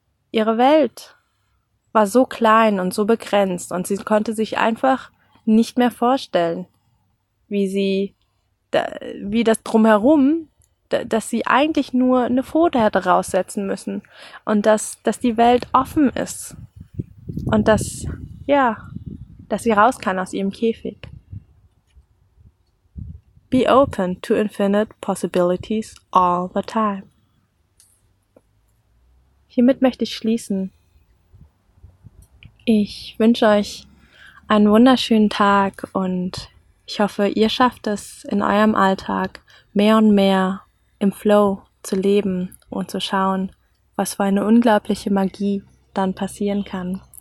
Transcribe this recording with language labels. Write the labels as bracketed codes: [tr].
[de] Ihre Welt war so klein und so begrenzt, und sie konnte sich einfach nicht mehr vorstellen, dass sie eigentlich nur eine Pfote hätte raussetzen müssen und dass die Welt offen ist und dass sie raus kann aus ihrem Käfig. [en] Be open to infinite possibilities all the time. [de] Hiermit möchte ich schließen. Ich wünsche euch einen wunderschönen Tag und ich hoffe, ihr schafft es in eurem Alltag mehr und mehr im Flow zu leben und zu schauen, was für eine unglaubliche Magie dann passieren kann.